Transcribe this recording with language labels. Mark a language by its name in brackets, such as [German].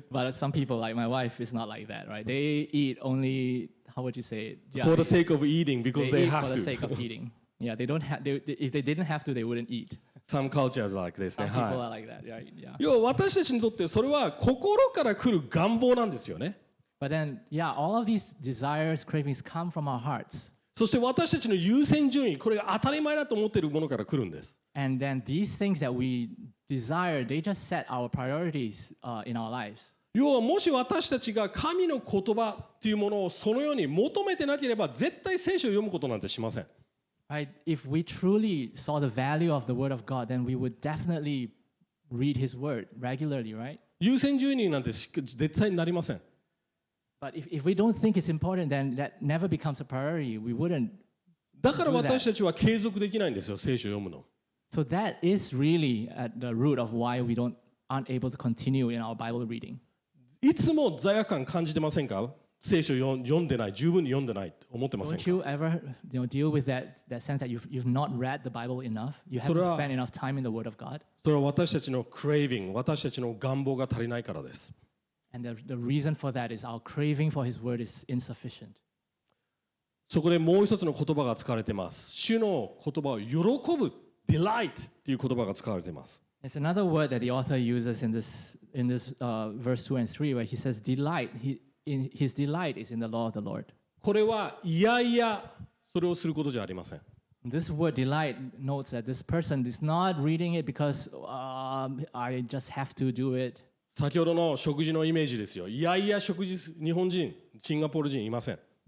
[English] But some people, like my wife, is not like that, right? They eat only... How would you say it? Yeah, for the sake of eating, because they have to. For the sake of eating. Yeah, they don't have, if they didn't have to, they wouldn't eat. Some cultures are like this. Some people are like that. Yeah, yeah. [Japanese] 要は私たちにとってそれは心から来る願望なんですよね。 [English] But then, yeah, all of these desires, cravings come from our hearts. [Japanese] そして私たちの優先順位、これが当たり前だと思っているものから来るんです。 [English] And then these things that we desire, they just set our priorities, in our lives. [Japanese] 要はもし私たちが神の言葉というものをそのように求めてなければ絶対聖書を読むことなんてしません。 [English] Right. If we truly saw the value of the word of God, then we would definitely read his word regularly, right? [Japanese] 優先順位なんて絶対になりません。 [English] But if we don't think it's important, then that never becomes a priority. We wouldn't do that. [Japanese] だから私たちは継続できないんですよ、聖書を読むの。 [English] So that is really at the root of why we aren't able to continue in our Bible reading. [Japanese] いつも罪悪感感じてませんか？聖書を読んでない、十分に読んでないと思ってませんか？ [English] Don't you ever, you know, deal with that sense that you've not read the Bible enough? You haven't spent enough time in the Word of God? [Japanese] それは私たちの craving、私たちの願望が足りないからです。 [English] And the reason for that is our craving for His Word is insufficient. [Japanese] そこでもう一つの言葉が使われています。主の言葉を喜ぶ、delight という言葉が使われています。 [English] It's another word that the author uses in this verse 2 and 3 where he says delight. His delight is in the law of the Lord. [Japanese] これはいやいやそれをすることじゃありません。 [English] This word delight notes that this person is not reading it because I just have to do it. [Japanese] 先ほどの食事のイメージですよ。いやいや食事日本人、シンガポール人いません。